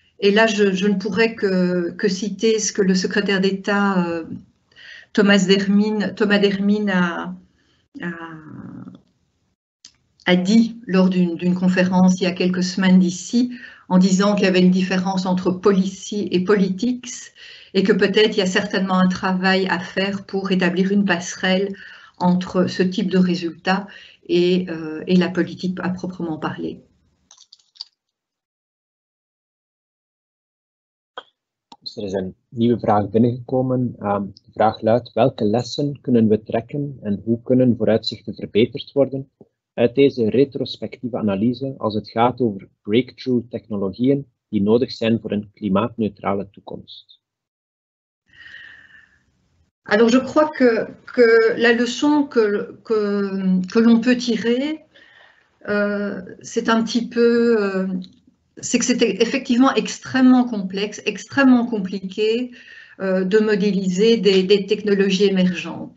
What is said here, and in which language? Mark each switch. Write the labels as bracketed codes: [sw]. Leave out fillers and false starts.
[fr] Et là, je ne pourrais que citer ce que le secrétaire d'État Thomas d'Hermine a dit lors d'une conférence il y a quelques semaines d'ici, en disant qu'il y avait une différence entre policy et politics, et que peut-être il y a certainement un travail à faire pour établir une passerelle entre ce type de résultat et la politique à proprement parler. [nl] Er is een nieuwe vraag binnengekomen. De vraag luidt: welke lessen kunnen we trekken en hoe kunnen vooruitzichten verbeterd worden uit deze retrospectieve analyse als het gaat over breakthrough technologieën die nodig zijn voor een klimaatneutrale toekomst? [fr] Alors, je crois que la leçon que l'on peut tirer, c'est un petit peu. C'est que c'était effectivement extrêmement complexe, extrêmement compliqué de modéliser des technologies émergentes.